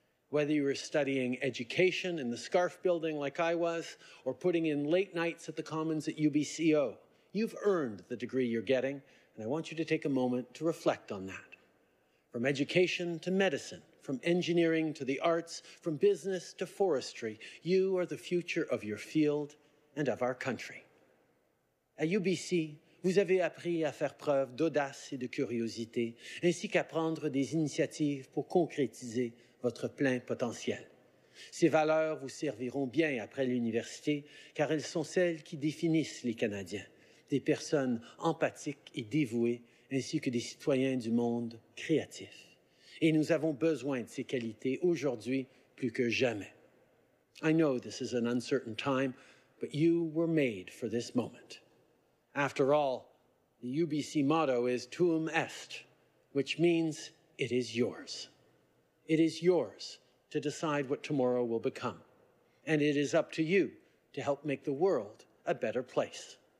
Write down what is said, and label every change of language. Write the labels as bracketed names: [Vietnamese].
[English] Whether you were studying education in the Scarf Building like I was, or putting in late nights at the Commons at UBCO, you've earned the degree you're getting, and I want you to take a moment to reflect on that. From education to medicine, from engineering to the arts, from business to forestry, you are the future of your field and of our country. [French] At UBC, vous avez appris à faire preuve d'audace et de curiosité, ainsi qu'à prendre des initiatives pour concrétiser votre plein potentiel. Ces valeurs vous serviront bien après l'université, car elles sont celles qui définissent les Canadiens, des personnes empathiques et dévouées, ainsi que des citoyens du monde créatifs. Et nous avons besoin de ces qualités aujourd'hui plus que jamais. [English] I know this is an uncertain time, but you were made for this moment. After all, the UBC motto is Tuum Est, which means it is yours. It is yours to decide what tomorrow will become. And it is up to you to help make the world a better place.